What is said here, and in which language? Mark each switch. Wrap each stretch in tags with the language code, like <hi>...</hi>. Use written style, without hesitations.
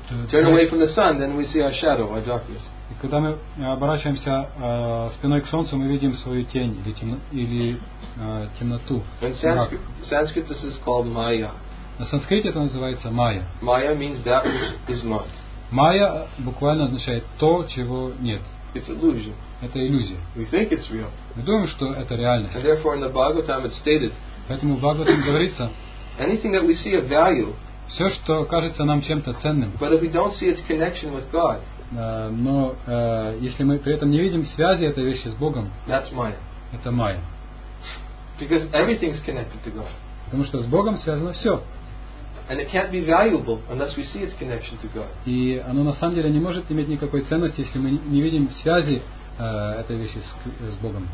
<en>Turn away from the sun, then we see our shadow, our darkness.</en> <ru>И когда мы оборачиваемся спиной к солнцу, мы видим свою тень или темноту.</ru> <en>In Sanskrit, this is called Maya.</en> <ru>На санскрите это называется Maya.</ru> <en>Maya means that which is not.</en> <ru>Maya буквально означает то, чего нет.</ru> <en>It's illusion.</en> <ru>Это иллюзия.</ru> <en>We think it's real.</en> <ru>Мы думаем, что это реальность.</ru> <en>And therefore, in the Bhagavatam it's stated.</en> <ru>Поэтому в Бхагаватам говорится.</ru> <en>Anything that we see of value.</en> <ru>Все, что кажется нам чем-то ценным.</ru> <en>But if we don't see its connection with God.</en> <ru>Но если мы при этом не видим связи этой вещи с Богом.</ru> <en>That's Maya.</en> <ru>Это Maya.</ru> <en>Because everything is connected to God.</en> <ru>Потому что с Богом связано все.</ru> <en>And it can't be valuable unless we see its connection to God.</en> <ru>И оно на самом деле не может иметь никакой ценности, если мы не видим связи этой вещи с Богом.</ru>